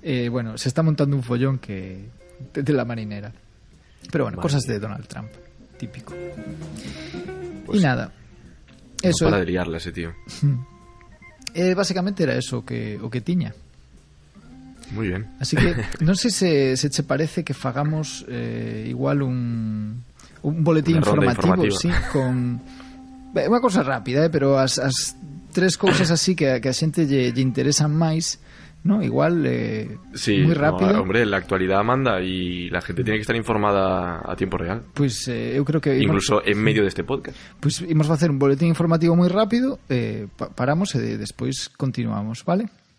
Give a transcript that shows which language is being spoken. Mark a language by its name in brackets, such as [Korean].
[Spanish] Bueno, se está montando un follón que de la marinera. Pero bueno, cosas de Donald Trump, típico. Pues y nada. No eso para liarla ese tío. [Galician] Básicamente era eso o que tiña. [Spanish] Muy bien. [Galician] Así que non sei se che parece que fagamos igual un boletín informativo, sí, con unha cousa rápida, pero as tres cousas así que a xente lle interesan máis. [Spanish] No, igual, sí, muy rápido. No, hombre, la actualidad manda y la gente tiene que estar informada a tiempo real. Pues yo creo que... Incluso en medio de este podcast. Pues íbamos a hacer un boletín informativo muy rápido, paramos y después continuamos, ¿vale?